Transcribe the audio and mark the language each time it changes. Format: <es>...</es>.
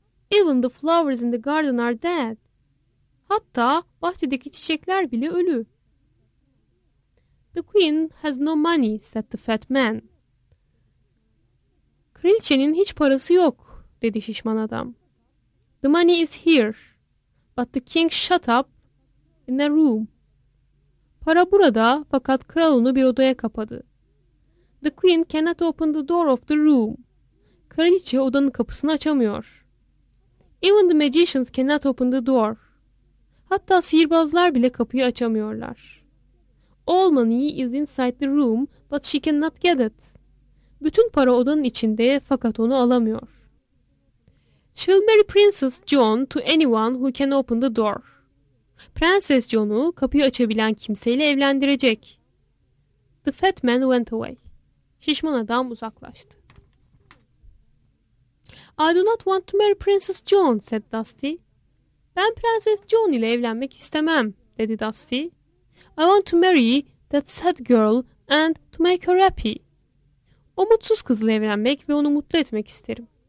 <en>Even the flowers in the garden are dead.</en> <tr>Hatta bahçedeki çiçekler bile ölü.</tr> <en>The queen has no money, said the fat man.</en> <tr>Kraliçenin hiç parası yok, dedi şişman adam.</tr> <en>The money is here, but the king shut up in a room.</en> <tr>Para burada fakat kral onu bir odaya kapadı.</tr> <en>The queen cannot open the door of the room.</en> <tr>Kraliçe odanın kapısını açamıyor.</tr> <en>Even the magicians cannot open the door.</en> <tr>Hatta sihirbazlar bile kapıyı açamıyorlar.</tr> <en>All money is inside the room, but she cannot get it.</en> <tr>Bütün para odanın içinde fakat onu alamıyor.</tr> <en>She will marry Princess John to anyone who can open the door.</en> <tr>Prenses John'u kapıyı açabilen kimseyle evlendirecek.</tr> <en>The fat man went away.</en> <tr>Şişman adam uzaklaştı.</tr> <en>I do not want to marry Princess John, said Dusty.</en> <tr>Ben Prenses John ile evlenmek istemem, dedi Dusty.</tr> <en>I want to marry that sad girl and to make her happy.</en> <tr>O mutsuz kızla evlenmek ve onu mutlu etmek isterim.</tr>